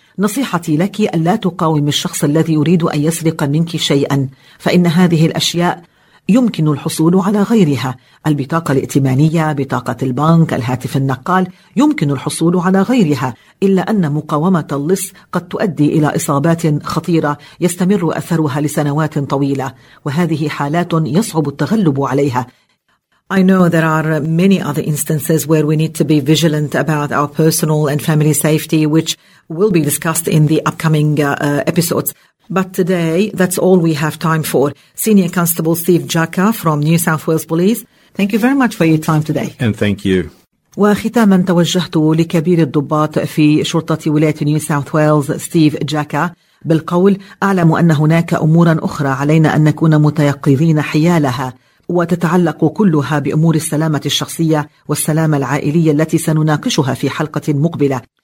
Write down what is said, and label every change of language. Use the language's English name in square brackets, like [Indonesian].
[Arabic] نصيحتي لك ألا تقاوم الشخص الذي يريد أن يسرق منك شيئا، فإن هذه الأشياء يمكن الحصول على غيرها، البطاقة الائتمانية، بطاقة البنك، الهاتف النقال، يمكن الحصول على غيرها، إلا أن مقاومة اللص قد تؤدي إلى إصابات خطيرة يستمر أثرها لسنوات طويلة، وهذه حالات يصعب التغلب عليها. [English] I know there are many other instances where we need to be vigilant about our personal and family safety, which will be discussed in the upcoming episodes. But today, that's all we have time for. Senior Constable Steve Jacka from New South Wales Police, thank you very much for your time today. And thank you. [Arabic] وختاماً توجهت لكبير الضباط في شرطة ولاية نيو ساوث ويلز ستيف جاكا بالقول: أعلم أن هناك أموراً أخرى علينا أن نكون متيقظين حيالها، وتتعلق كلها بأمور السلامة الشخصية والسلامة العائلية التي سنناقشها في حلقة مقبلة.